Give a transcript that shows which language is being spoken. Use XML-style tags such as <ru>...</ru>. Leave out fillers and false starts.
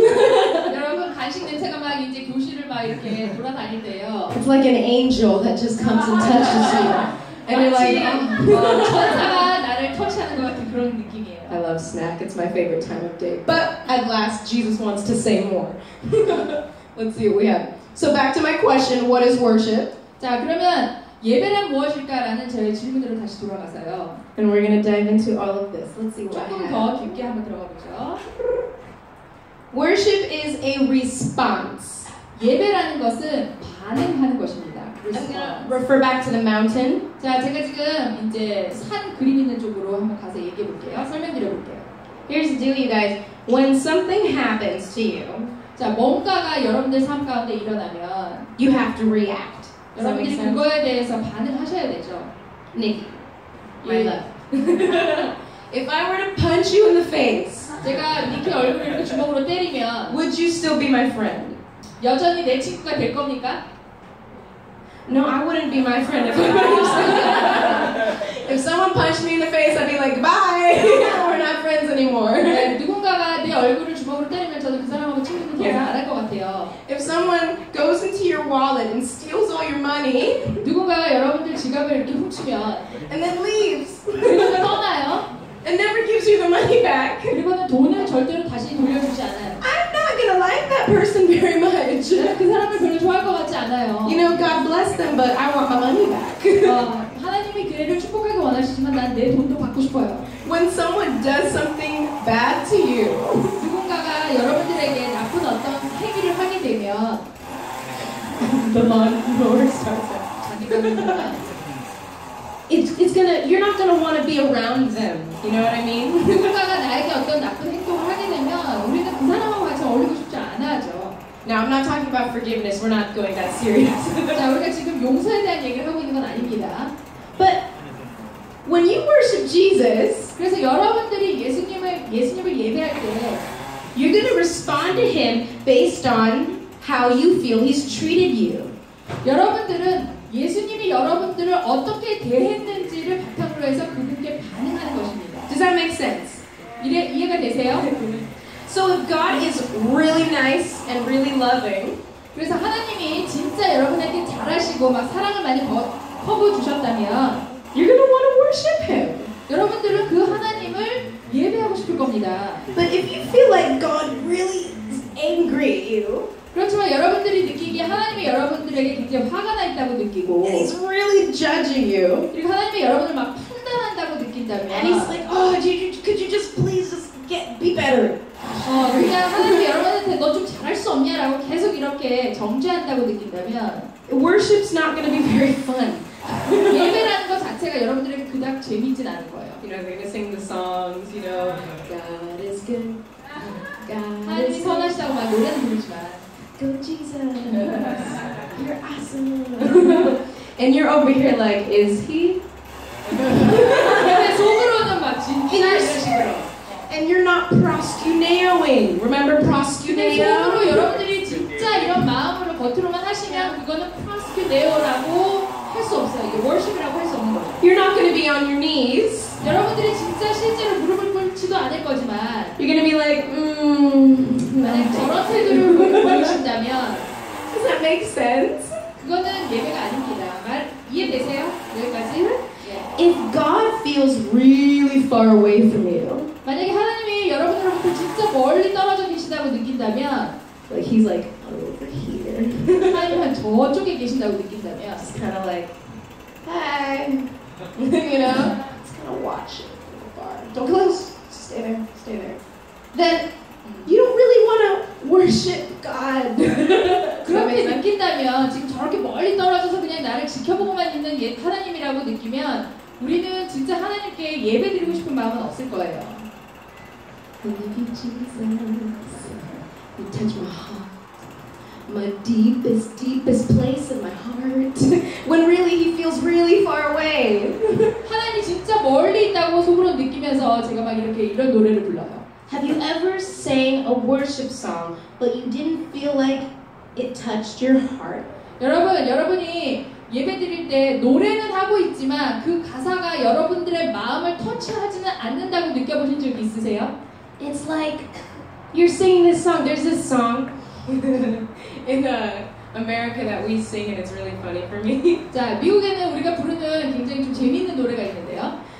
<en>It's like an angel that just comes and touches you. And you're like, oh. I love snack, it's my favorite time of day. But at last, Jesus wants to say more. Let's see what we have. So back to my question, what is worship?</en> <ko>자, 그러면 예배란 무엇일까라는 제 질문으로 다시 돌아가서요.</ko> <en>And we're going to dive into all of this. Let's see what I have.</en> <ko>조금 더 깊게 한번 들어가 보죠.</ko> <en>Worship is a response.</en> <ko>예배라는 것은 반응하는 것입니다.</ko> <en>Refer back to the mountain.</en> <ko>자, 제가 지금 이제 산 그림 있는 쪽으로 한번 가서 얘기해 볼게요. 설명드려 볼게요.</ko> <en>Here's the deal, you guys. When something happens to you,</en> <ko>자, 뭔가가 여러분들 삶 가운데 일어나면</ko> <en>you have to react.</en> <ko>여러분들이 그거에 대해서 반응하셔야 되죠.</ko> <en>Nikki, my love. If I were to punch you in the face,</en> <ko>제가 니키 얼굴을 이렇게 주먹으로 때리면</ko> <en>would you still be my friend?</en> <ko>여전히 내 친구가 될 겁니까?</ko> <en>No, I wouldn't be my friend if I were to If someone punched me in the face, I'd be like, bye! We're not friends anymore.</en> <ko>누군가가 내 얼굴을 주먹으로 때리면 저도 그 사람하고 친구는 더 안 할 것 같아요.</ko> <en>If someone goes into your wallet and steals all your money,</en> <ko>누군가가 여러분들 지갑을 이렇게 훔치면</ko> <en>and then leaves,</en> <ko>그리고 떠나요.</ko> <en>And never gives you the money back.</en> <ko>그리고는 돈을 절대로 다시 돌려주지 않아요.</ko> <en>I'm not gonna like that person very much.</en> <ko>그 사람을 별로 좋아할 것 같지 않아요.</ko> <en>You know, God bless them, but I want my money back.</en> <ko>하나님이 그래를 축복하기 원하시지만 난 내 돈도 받고 싶어요.</ko> <en>When someone does something bad to you,</en> <ko>누군가가 여러분들에게 나쁜 어떤 행위를 하게 되면</ko> <en>the lawnmower starts It's gonna, you're not gonna want to be around them, you know what I mean?</en> <ko>누군가가 나에게 어떤 나쁜 행동을 하게 되면 우리는 그 사람하고 같이 어울리고 싶지 않아죠.</ko> <en>Now, I'm not talking about forgiveness, we're not going that serious.</en> <ko>자, 우리가 지금 용서에 대한 얘기를 하고 있는 건 아닙니다.</ko> <en>But when you worship Jesus,</en> <ko>그래서 여러분들이 예수님을 예배할 때,</ko> <en>you're going to respond to him based on how you feel he's treated you.</en> <ko>여러분들은 예수님이 여러분들을 어떻게 대했는지를 바탕으로 해서 그분께 반응하는 것입니다.</ko> <en>Does that make sense?</en> <ko>이해가 되세요?</ko> <en>So if God is really nice and really loving,</en> <ko>그래서 하나님이 진짜 여러분에게 잘하시고 막 사랑을 많이 퍼부어 주셨다면</ko> <en>you're gonna want to worship him.</en> <ko>여러분들은 그 하나님을 예배하고 싶을 겁니다.</ko> <en>But if you feel like God really is angry at you,</en> <ko>그렇지만 여러분들이 느끼기에 하나님이 여러분들에게 굉장히 화가 나 있다고 느끼고</ko> <en>and he's really judging you.</en> <ko>그리고 하나님이 여러분을 막 판단한다고 느낀다면</ko> <en>and he's like, oh, could you just please just get be better?</en> <ko>그냥 하나님이 여러분한테 너 좀 잘할 수 없냐? 라고 계속 이렇게 정죄한다고 느낀다면</ko> <en>worship's not gonna be very fun.</en> <ko>예배라는 것 자체가 여러분들에게 그닥 재미있진 않을 거예요.</ko> <en>You know, they're gonna sing the songs, you know. God is good. God is</en> <ko>선하시다고 막 노래는 부르지만</ko> <en>Go Jesus. You're awesome. And you're over here like, is he?</en> <ko>근데 속으로는 막 진짜</ko> <en>And you're not proscuneoing. Remember proscuneo?</en> <ko>속으로 여러분들이 진짜 이런 마음으로 겉으로만 하시면 그거는 proscuneo라고 할 수 없어요. 이게 worship</ko> <en>to be on your knees.</en> <ko>여러분들이 진짜 실제로 무릎을 꿇지도 않을 거지만</ko> <en>you're gonna be like, manage.</en> <ko>저런 태도를 보이신다면</ko> <en>does that make sense?</en> <ko>그거는 예배가 아닙니다. 말 이해되세요? 여기까지.</ko> <en>If God feels really far away from you,</en> <ko>만약에 하나님이 여러분들로부터 진짜 멀리 떨어져 계신다고 느낀다면,</ko> <en>like he's like over here.</en> <ko>하나님은 저쪽에 계신다고 느낀다면,</ko> <en>it's kind of like, hey, you know, it's kind of watching from afar. Don't close. Stay there. Stay there. Then you don't really want to worship God.</en> <ko>그렇게 느낀다면 지금 저렇게 멀리 떨어져서 그냥 나를 지켜보고만 있는 옛 하나님이라고 느끼면 우리는 진짜 하나님께 예배 드리고 싶은 마음은 없을 거예요.</ko> <en>Believe in Jesus. You touch my heart. My deepest, deepest place in my heart. When really he feels really far away.</en> <ko>하나님 진짜 멀리 있다고 속으로 느끼면서 제가 막 이렇게 이런 노래를 불러요.</ko> <en>Have you ever sang a worship song but you didn't feel like it touched your heart?</en> <ko>여러분이 예배 드릴 때 노래는 하고 있지만 그 가사가 여러분들의 마음을 터치하지는 않는다고 느껴보신 적 있으세요?</ko> <en>It's like you're singing this song. There's this song in America that we sing and it's really funny for me.</en> <ko>자, 미국에는 우리가 부르는 굉장히 좀 재미있는 노래가 있는데요.</ko>